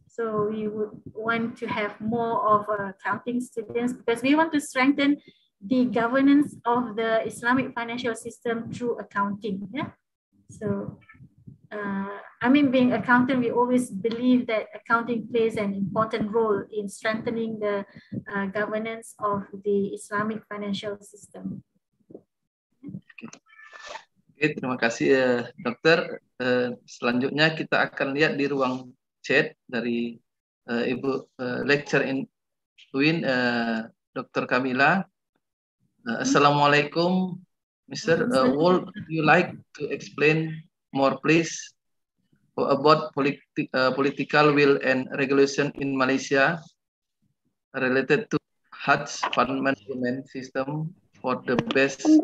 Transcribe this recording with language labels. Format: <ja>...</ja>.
<en>So we would want to have more of accounting students because we want to strengthen the governance of the Islamic financial system through accounting. Yeah. So, being accountant, we always believe that accounting plays an important role in strengthening the governance of the Islamic financial system.</en> <id>Okay. Terima kasih, dokter. Selanjutnya kita akan lihat di ruang chat dari Ibu</id> <en>lecturer in UIN,</en> <id>Dr. Camilla. Assalamualaikum, Mr.</id> <en>Would you like to explain more, please, about political will and regulation in Malaysia related to Hajj fund management system for the best</en>